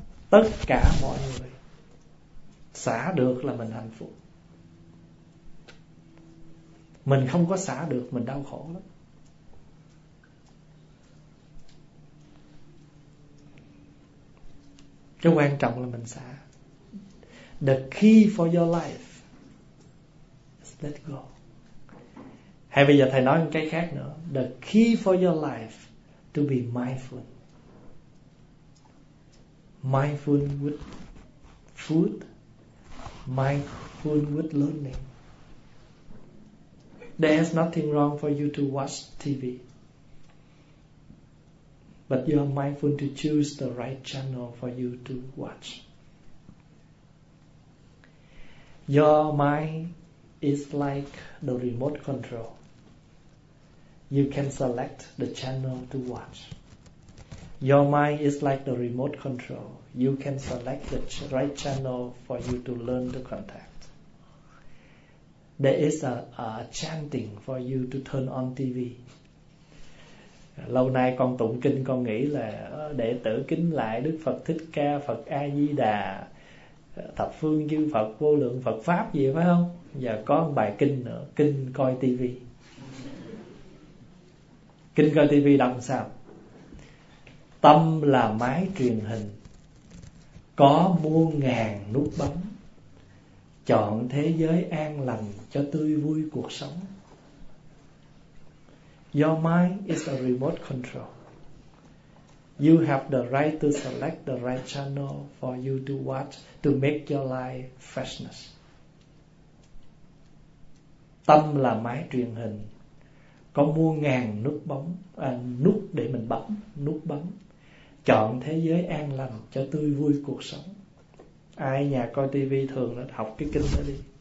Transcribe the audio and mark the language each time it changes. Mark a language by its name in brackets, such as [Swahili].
[Vietnamese] Tất cả mọi người xả được là mình hạnh phúc. Mình không có xả được, mình đau khổ lắm. Cái quan trọng là mình xả. [English] The key for your life is let go. [Vietnamese] Hay bây giờ thầy nói một cái khác nữa. [English] The key for your life to be mindful. Mindful with food. Mindful with learning. There's nothing wrong for you to watch TV. But you are mindful to choose the right channel for you to watch. Your mind is like the remote control. You can select the channel to watch. Your mind is like the remote control. You can select the right channel for you to learn the contact. There is a chanting for you to turn on TV. [Vietnamese] Lâu nay con tụng kinh con nghĩ là đệ tử kính lại Đức Phật Thích Ca, Phật A Di Đà, thập phương chư Phật, vô lượng Phật pháp gì phải không? Giờ có một bài kinh nữa, kinh coi TV. Kinh coi TV đọc sao? Tâm là máy truyền hình, có muôn ngàn nút bấm, chọn thế giới an lành cho tươi vui cuộc sống. [English] Your mind is a remote control. You have the right to select the right channel for you to watch to make your life freshness. [Vietnamese] Tâm là máy truyền hình, có muôn ngàn nút bấm, nút để mình bấm, nút bấm. Chọn thế giới an lành cho tươi vui cuộc sống. Ai nhà coi TV thường là học cái kinh đó đi.